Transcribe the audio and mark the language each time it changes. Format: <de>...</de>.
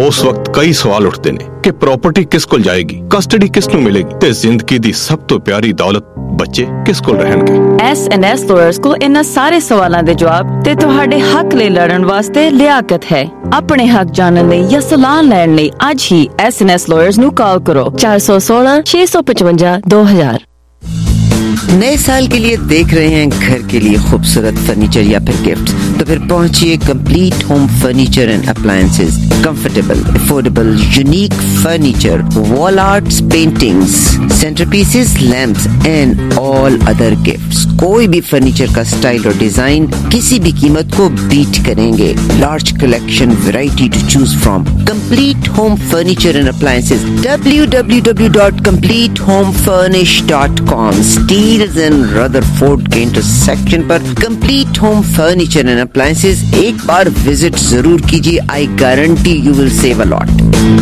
<pa>ਉਸ ਵਕਤ ਕਈ ਸਵਾਲ ਉੱਠਦੇ ਨੇ ਕਿ ਪ੍ਰਾਪਰਟੀ ਕਿਸ ਕੋਲ ਜਾਏਗੀ, ਕਸਟਡੀ ਕਿਸ ਨੂੰ ਮਿਲੇਗੀ ਤੇ ਜ਼ਿੰਦਗੀ ਦੀ ਸਭ ਤੋਂ ਪਿਆਰੀ ਦੌਲਤ ਬੱਚੇ ਕਿਸ ਕੋਲ ਰਹਿਣਗੇ। SNS ਲੋਅਰਸ ਕੋਲ ਇਹਨਾਂ ਸਾਰੇ ਸਵਾਲਾਂ ਦੇ ਜਵਾਬ ਤੇ ਤੁਹਾਡੇ ਹੱਕ ਲਈ ਲੜਨ ਵਾਸਤੇ ਲਿਆਕਤ ਹੈ। ਆਪਣੇ ਹੱਕ ਜਾਣਨ ਲਈ ਜਾਂ ਸਲਾਹ ਲੈਣ ਲਈ ਅੱਜ ਹੀ SNS ਲੋਅਰਸ ਨੂੰ ਕਾਲ ਕਰੋ 416-655-2000।</pa> <hi>नए साल के लिए देख रहे हैं घर के लिए खूबसूरत फर्नीचर या फिर गिफ्ट, तो फिर पहुंचिए complete home furniture and appliances.</hi> <en>Comfortable, affordable, unique furniture, wall arts, paintings, centre pieces, lamps and all other gifts.</en> <hi>कोई भी फर्नीचर का स्टाइल और डिजाइन किसी भी कीमत को बीट करेंगे।</hi> <en>Large collection, variety to choose from, complete home furniture and appliances, www.completehomefurnish.com।</en> <hi>Steels and Rutherford के intersection पर Complete Home Furniture and Appliances एक बार विजिट जरूर कीजिए।</hi> <en>I guarantee you will save a lot.</en>